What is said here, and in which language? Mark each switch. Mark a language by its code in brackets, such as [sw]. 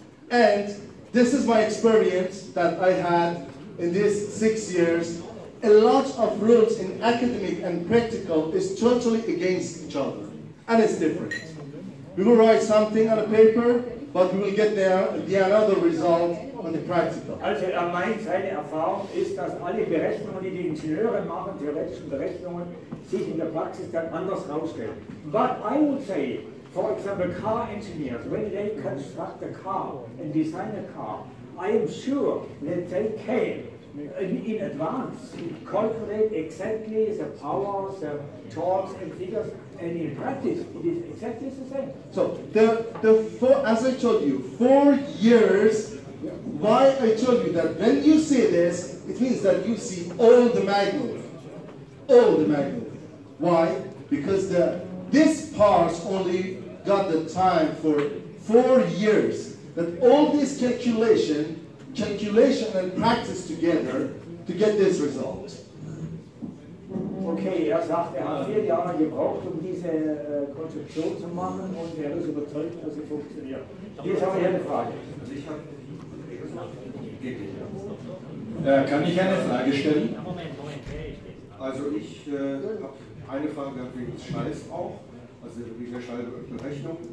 [en] And this is my experience that I had in these 6 years. A lot of rules in academic and practical is totally against each other, and it's different. We will write something on a paper, but we will get the another result on the practical. [de] Also, er meint, seine Erfahrung ist, dass alle Berechnungen, die die Ingenieure machen, theoretischen Berechnungen, sich in der Praxis dann anders herausstellen. [en] But I would say, for example, car engineers, when they construct a car and design a car, I am sure that they can, in advance, calculate exactly the powers, the torques and figures, and in practice, it is exactly the same. So, as I told you, 4 years. Why I told you that when you see this, it means that you see all the Magmov. All the Magmov. Why? Because this parts only got the time for 4 years. That all this calculation and practice together to get this result. [de] Okay, er sagt, er hat 4 Jahre gebraucht, um diese Konstruktion zu machen, und er ist überzeugt, dass sie funktioniert. Jetzt haben wir eine Frage. Kann ich eine Frage stellen? Also ich habe eine Frage gehabt wegen des Schalls auch, also wegen der Berechnung.